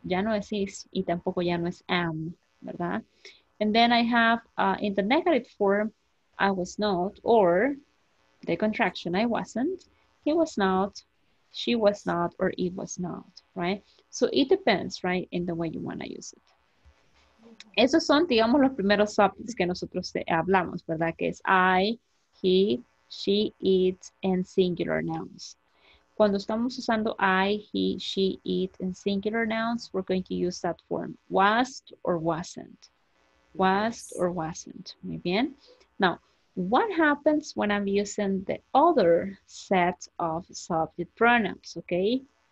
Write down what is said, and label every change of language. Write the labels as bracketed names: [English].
[Spanish] Ya no es is y tampoco ya no es am, ¿verdad? [English] And then I have in the negative form, I was not, or the contraction, I wasn't, he was not, she was not, or it was not, right? So it depends, right, in the way you want to use it. [Spanish] Esos son, digamos, los primeros subjects que nosotros hablamos, ¿verdad? Que es [English] I, he, she, it, and singular nouns. [Spanish] Cuando estamos usando [English] I, he, she, it, and singular nouns, we're going to use that form, was or wasn't. Was or wasn't. [Spanish] Muy bien. [English] Now, what happens when I'm using the other set of subject pronouns, okay?